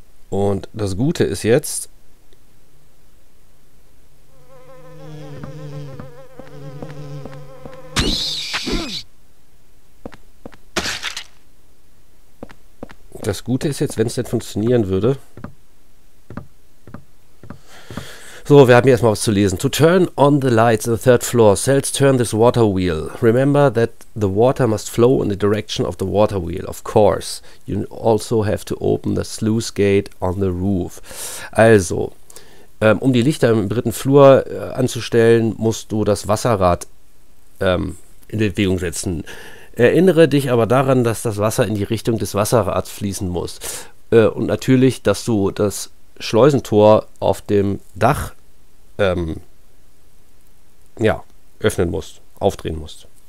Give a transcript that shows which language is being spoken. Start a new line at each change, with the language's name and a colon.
German: Und das Gute ist jetzt, wenn es denn funktionieren würde. So, wir haben hier erstmal was zu lesen.
English: To turn on the lights on the third floor, cells turn this water wheel. Remember that the water must flow in the direction of the water wheel, of course. You also have to open the sluice gate on the roof.
German: Also, um die Lichter im dritten Flur anzustellen, musst du das Wasserrad in Bewegung setzen. Erinnere dich aber daran, dass das Wasser in die Richtung des Wasserrads fließen muss. Und natürlich, dass du das Schleusentor auf dem Dach öffnen musst, aufdrehen musst.